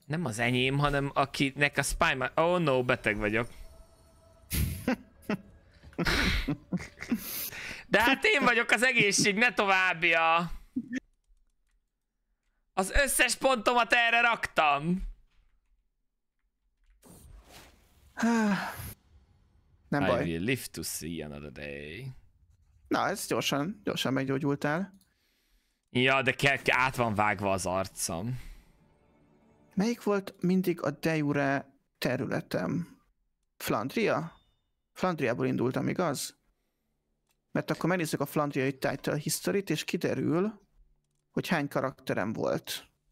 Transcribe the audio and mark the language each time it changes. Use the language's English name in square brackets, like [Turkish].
[Hungarian] Nem az enyém, hanem akinek a spy már... [English] Oh no, [Hungarian] beteg vagyok. De hát én vagyok az egészség, ne továbbja! Az összes pontomat erre raktam! Nem baj. [English] I will live to see another day. [Hungarian] Na, ez gyorsan meggyógyultál. Ja, de át van vágva az arcom. Melyik volt mindig a de jure területem? Flandria? Flandriából indultam, igaz? Mert akkor megnézzük a Flandriai Title History-t, és kiderül, hogy hány karakterem volt.